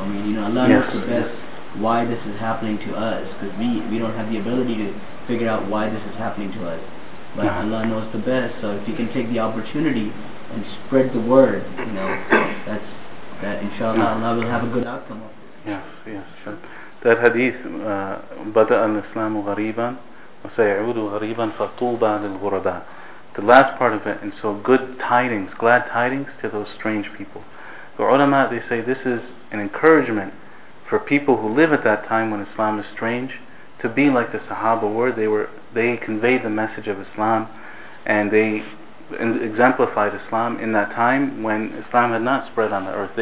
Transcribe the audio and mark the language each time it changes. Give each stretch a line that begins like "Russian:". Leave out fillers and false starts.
English: I mean, you know, Allah knows the best why this is happening to us, because we don't have the ability to figure out why this is happening to us. But Allah knows the best. So if you can take the opportunity and spread the word, you know, that inshallah Allah will have a good outcome of it. Yes, sure. That hadith,
Arabic: بَدَأَ الْإِسْلَامُ غَرِيبًا وَسَيَعُودُ غَرِيبًا فَطُوبَ لِلْغُرَبَى.
English: The last part of it, and so good tidings, glad tidings to those strange people. The ulama, they say this is an encouragement for people who live at that time when Islam is strange, to be like the Sahaba were. They conveyed the message of Islam, and they exemplified Islam in that time when Islam had not spread on the earth.